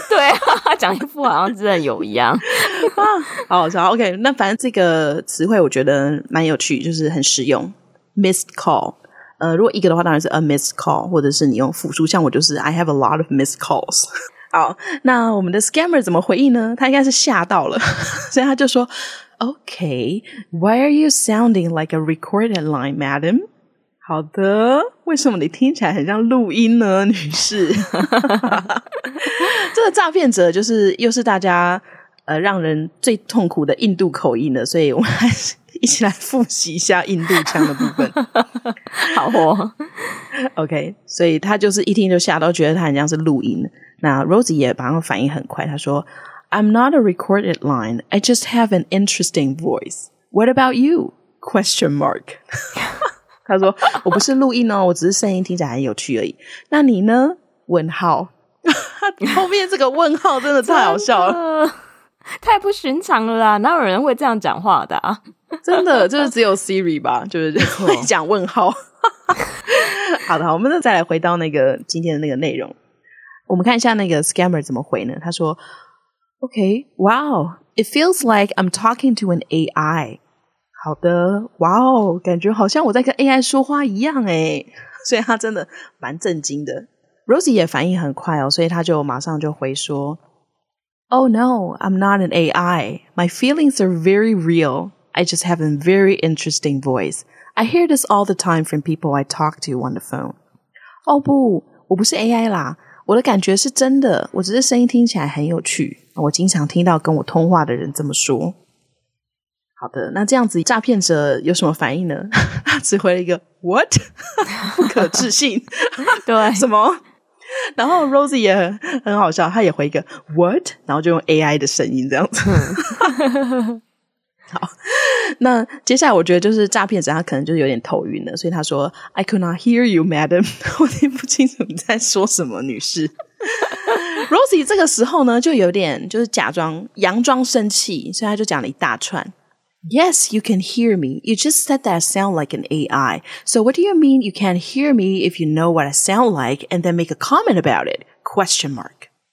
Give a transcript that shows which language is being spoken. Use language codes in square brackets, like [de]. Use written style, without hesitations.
[zh] 对啊，讲一副好像真的有一样。好好 OK， 那反正这个词汇我觉得蛮有趣，就是很实用， missed call。如果一个的话当然是 a missed call， 或者是你用复数，像我就是 I have a lot of missed calls。好，那我们的 scammer 怎么回应呢？他应该是吓到了。所以他就说 OK， why are you sounding like a recorded line madam？好的，为什么你听起来很像录音呢女士？这个诈骗者就是又是大家让人最痛苦的印度口音了，所以我们还是一起来复习一下印度腔的部分。好哦 OK， 所以他就是一听就吓到，觉得他很像是录音。 [en] 那 Rosie 也把他反应很快，他说 I'm not a recorded line, I just have an interesting voice. What about you? Question mark. [zh] 他说我不是录音哦，我只是声音听起来很有趣而已。那你呢？问号。后面这个问号真的太好笑了，太不寻常了啦，哪有人会这样讲话的啊。真的就是只有 Siri 吧，就是会讲问号。好的，好，我们再来回到那个今天的那个内容，我们看一下那个 scammer 怎么回呢。 [en] 他说 OK， wow， it feels like I'm talking to an AI。 [zh] 好的，哇哦，感觉好像我在跟 AI 说话一样耶。所以他真的蛮震惊的。 [en] Rosie 也反应很快哦，所以他就马上就回说 Oh no， I'm not an AI， my feelings are very realI just have a very interesting voice. I hear this all the time from people I talk to on the phone. [zh] Oh, 不，我不是 AI 啦，我的感觉是真的，我只是声音听起来很有趣，我经常听到跟我通话的人这么说。好的，那这样子诈骗者有什么反应呢？他只回了一个 What？不可置信。对，什么？然后 Rosie 也很好笑，他也回一个 What？ 然后就用 AI 的声音这样子。好，那接下来我觉得就是诈骗者他可能就是有点头晕了，所以他说 I could not hear you madam，我听不清楚你在说什么女士。 [en] Rosie 这个时候呢就有点就是假装佯装生气，所以他就讲了一大串 Yes you can hear me, you just said that I sound like an AI, so what do you mean you can't hear me if you know what I sound like and then make a comment about it? Question mark.